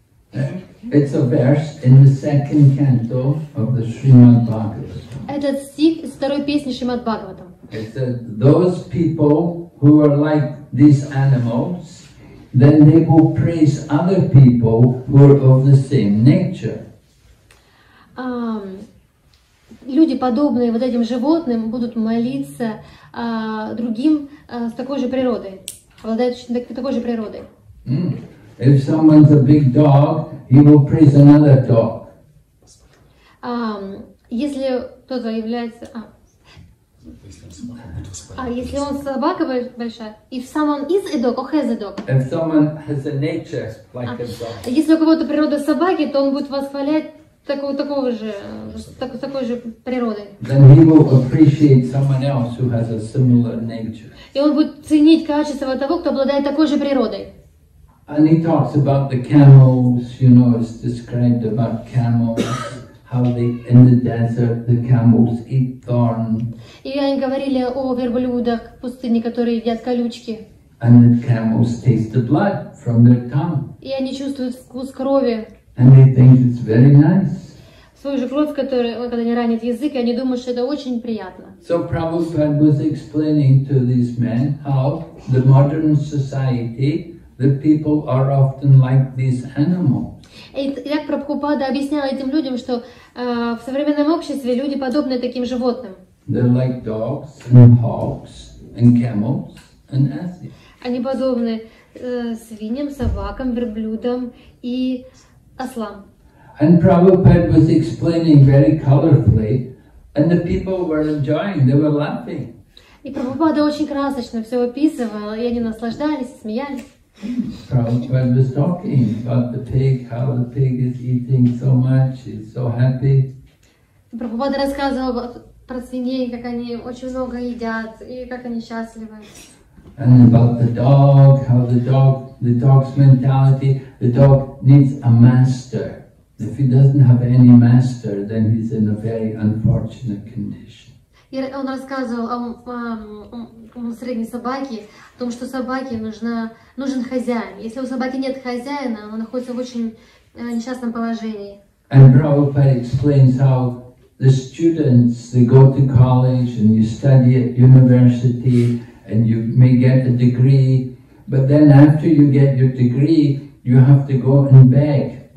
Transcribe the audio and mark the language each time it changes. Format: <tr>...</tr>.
<en>It's a verse in the second canto of the Srimad Bhagavatam.</en> <ru>Этот стих из второй песни Шримад Бхагаватам.</ru> <en>It says, those people who are like these animals, then they will praise other people who are of the same nature.</en> <ru>Люди, подобные вот этим животным, будут молиться другим с такой же природой, обладающим такой же природой.</ru> <en>If someone's a big dog, he will praise another dog.</en> <ru>Если кто-то является... если он собака большая,</ru> <en>if someone is a dog or has a dog. If someone has a nature like a dog.</en> <ru>Если у кого-то природа собаки, то он будет восхвалять такой же природы.</ru> <en>Then he will appreciate someone else who has a similar nature.</en> <ru>И он будет ценить качество того, кто обладает такой же природой.</ru> <en>And he talks about the camels, you know, it's described about camels, how they in the desert the camels eat thorns.</en> <ru>И они говорили о верблюдах в пустыне, которые едят колючки.</ru> <en>And the camels taste the blood from their tongue.</en> <ru>И они чувствуют вкус крови.</ru> <en>And they think it's very nice.</en> <ru>Свою же кровь, которая, когда они ранят язык, они думают, что это очень приятно.</ru> <en>So Prabhupada was explaining to these men how the modern society. The people are often like these animals.</en> <ru>Как Прабхупада объяснял этим людям, что в современном обществе люди подобны таким животным.</ru> <en>They're like dogs and hogs and camels and asses.</en> <ru>Они подобны свиньям, собакам, верблюдам и ослам.</ru> <en>And Prabhupada was explaining very colorfully, and the people were enjoying. They were laughing.</en> <ru>И Прабхупада очень красочно все описывал, и они наслаждались, смеялись.</ru> <en>Prabhupada was talking about the pig, how the pig is eating so much, he's so happy.</en> <ru>Прабхупада рассказывал про свиней, как они очень много едят и как они счастливы.</ru> <en>And about the dog, how the dog's mentality, the dog needs a master. If he doesn't have any master, then he's in a very unfortunate condition.</en> <ru>И он рассказывал о средней собаке, о том, что собаке нужен хозяин. Если у собаки нет хозяина, она находится в очень несчастном положении.</ru> <en>And Prabhupada explains how the students, they go to college and you study at university and you may get a degree, but then after you get your degree, you have to go and beg.</en>